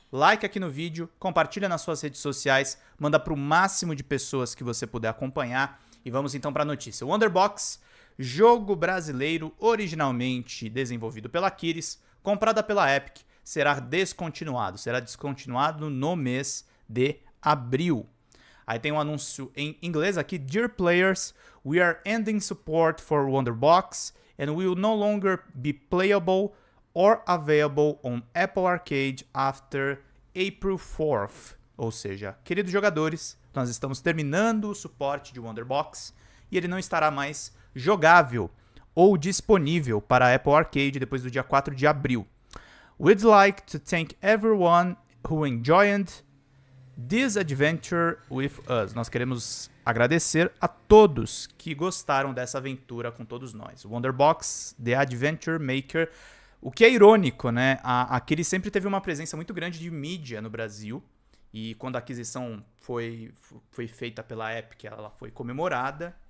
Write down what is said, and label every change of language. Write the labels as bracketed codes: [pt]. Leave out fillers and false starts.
[pt] like aqui no vídeo, compartilha nas suas redes sociais, manda para o máximo de pessoas que você puder acompanhar. E vamos então para a notícia. Wonderbox, jogo brasileiro originalmente desenvolvido pela Kyris, comprada pela Epic, será descontinuado. Será descontinuado no mês de abril. Aí tem um anúncio em inglês aqui. [en] Dear players, we are ending support for Wonderbox and will no longer be playable or available on Apple Arcade after April 4th. [pt] Ou seja, queridos jogadores, nós estamos terminando o suporte de Wonderbox e ele não estará mais jogável ou disponível para Apple Arcade depois do dia 4 de abril. [en] We'd like to thank everyone who enjoyed this adventure with us. [pt] Nós queremos agradecer a todos que gostaram dessa aventura com todos nós. Wonderbox, The Adventure Maker. O que é irônico, né? Aquele sempre teve uma presença muito grande de mídia no Brasil. E quando a aquisição foi feita pela Epic, ela foi comemorada.